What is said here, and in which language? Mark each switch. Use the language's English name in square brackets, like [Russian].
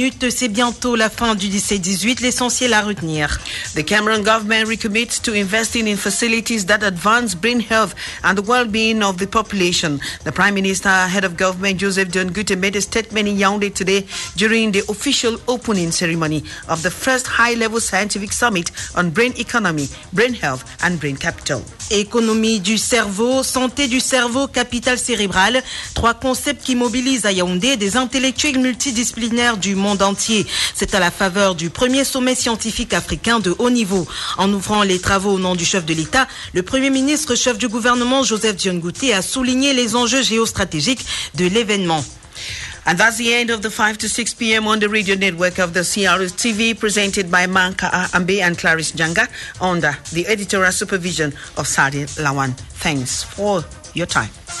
[French] C'est bientôt la fin du 17-18, l'essentiel à retenir. [English] The Cameroon government recommits to investing in facilities that advance brain health and the well-being of the population. The Prime Minister, Head of Government Joseph John Guitte, made a statement in Yaoundé today during the official opening ceremony of the first high-level scientific summit on brain economy, brain health and brain capital. [French] Économie du cerveau, santé du cerveau, capital cérébral, trois concepts qui mobilisent à Yaoundé des intellectuels multidisciplinaires du monde entier. C'est à la faveur du premier sommet scientifique africain de haut niveau. En ouvrant les travaux au nom du chef de l'État, le premier ministre chef du gouvernement, Joseph Dion Guitte, a souligné les enjeux géostratégiques de l'événement. [English] And that's the end of the 5 to 6 p.m. on the radio network of the CRS TV presented by Manka Ambe and Clarice Janga under the editorial supervision of Sadi Lawan. Thanks for your time.